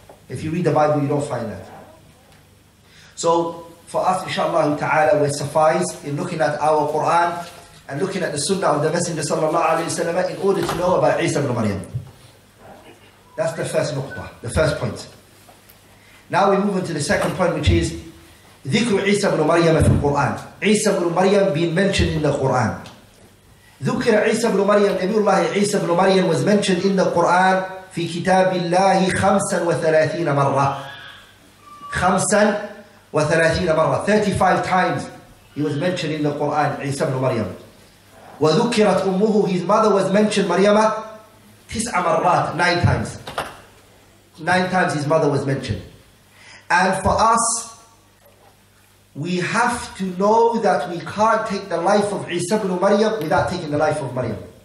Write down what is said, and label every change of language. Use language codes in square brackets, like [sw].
[en] If you read the Bible, you don't find that. So for us, inshallah ta'ala, we suffice in looking at our Quran and looking at the Sunnah of the Messenger sallallahu alayhi wa sallam in order to know about Isa ibn Maryam. That's the first nuqta, the first point. Now we move on to the second point, which is [ar] ذكر عيسى بن مريم في القرآن. [en] عيسى بن مريم being mentioned in the Quran. [ar] ذكر عيسى بن مريم, نبي الله عيسى بن مريم [en] was mentioned in the Quran [ar] في كتاب الله 35 مرة. 35 مرة. [en] 35 times he was mentioned in the Quran, عيسى بن مريم. [ar] وذكرت أمه, [en] his mother was mentioned, مريم, [ar] 9 مرات. [en] 9 times. 9 times his mother was mentioned. And for us, we have to know that we can't take the life of Isa ibn Maryam without taking the life of Maryam.